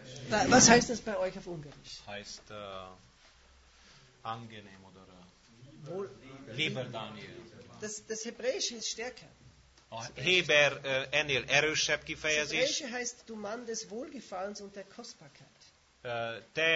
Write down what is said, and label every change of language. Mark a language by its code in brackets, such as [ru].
[de] Was heißt das bei euch auf Ungarisch? Heißt angenehm oder lieber Daniel. Das Hebräische ist stärker. [hu] Heber ennél erősebb kifejezés. [de] Das Hebräische heißt du Mann des Wohlgefallens und der Kostbarkeit.